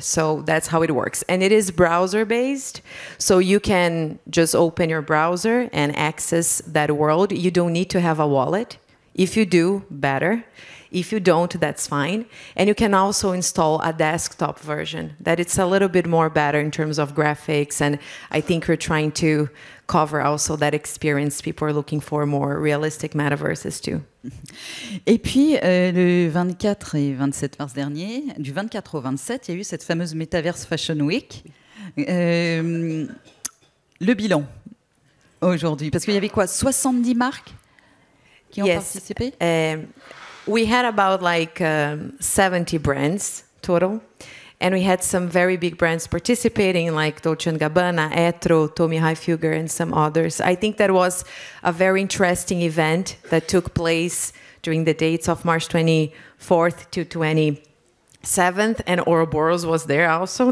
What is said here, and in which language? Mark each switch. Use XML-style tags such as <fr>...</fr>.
<en>So that's how it works. And it is browser based. So you can just open your browser and access that world. You don't need to have a wallet. If you do, better. If you don't, that's fine. And you can also install a desktop version, that it's a little bit more better in terms of graphics. And I think we're trying to cover also that experience people are looking for more realistic metaverses too.</en> <fr>Et puis, le 24 et 27 mars dernier, du 24 au 27, il y a eu cette fameuse Metaverse Fashion Week. Le bilan aujourd'hui, parce qu'il y avait quoi, 70 marques qui ont participé?</fr> <en>We had about like 70 brands total, and we had some very big brands participating, like Dolce & Gabbana, Etro, Tommy Hilfiger, and some others. I think that was a very interesting event that took place during the dates of March 24th to 27th, and Ouroboros was there also.</en>